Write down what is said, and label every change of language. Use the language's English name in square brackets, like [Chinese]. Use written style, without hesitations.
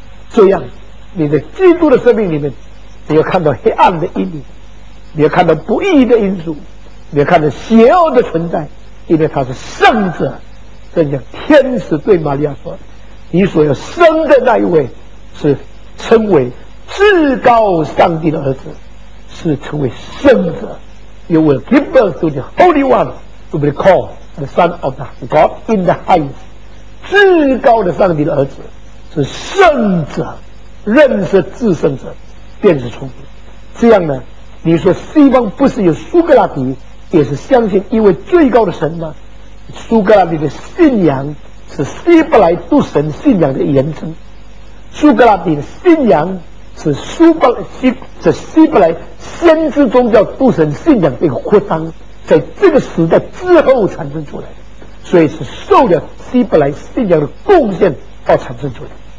[Chinese] 这样你在基督的生命里面，你要看到黑暗的阴影，你要看到不义的因素，你要看到邪恶的存在，因为他是圣者。正像天使对玛利亚说，你所要生的那一位是称为至高上帝的儿子，是称为圣者。 [English] You will give birth to the Holy One to be called the Son of the God in the highest。 [Chinese] 至高的上帝的儿子是圣者，认识至圣者便是聪明。这样呢，你说西方不是有苏格拉底也是相信一位最高的神吗？苏格拉底的信仰是希伯来诸神信仰的延伸，苏格拉底的信仰是希伯来先知宗教诸神信仰的一个扩张，在这个时代之后产生出来的，所以是受了希伯来信仰的贡献而产生出来的。